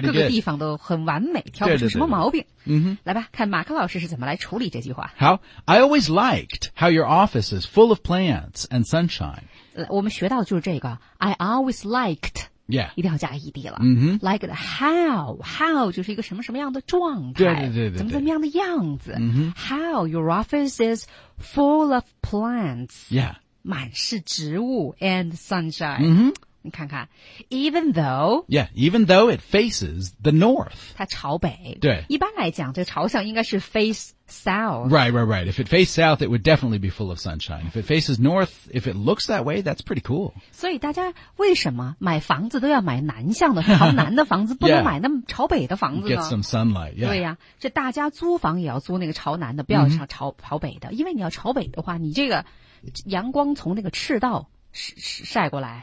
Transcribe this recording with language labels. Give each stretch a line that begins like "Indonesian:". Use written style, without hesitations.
Chinese: 各个地方都很完美挑不出什么毛病。对。来吧看马克老师是怎么来处理这句话。
English: 好 I always liked how your office is full of plants and sunshine.
Chinese: 我们学到的就是这个。
English: I always liked. Yeah.
Chinese: 一定要加ED了。嗯、mm-hmm. 哼
English: Like the how
Chinese: 就是一个什么什么样的状态。对。怎么怎么样的样子。嗯、mm-hmm.
English: 哼 How your office is full of plants. Yeah.
Chinese: 满是植物
English: and sunshine. 嗯、mm-hmm. 哼
Chinese: 你看看。
English: Even though. Yeah, even though it faces the north.
Chinese: 它朝北。对。一般来讲这朝向应该是
English: face south. Right. If it faced south, it would definitely be full of sunshine. If it faces north, if it looks that way, that's pretty cool.
Chinese: 所以大家为什么买房子都要买南向的朝南的房子不能买那么朝北的房子呢
English: Get some sunlight, yeah.
Chinese: 对呀、啊、这大家租房也要租那个朝南的不要上朝、mm-hmm. 朝北的因为你要朝北的话你这个阳光从那个赤道晒过来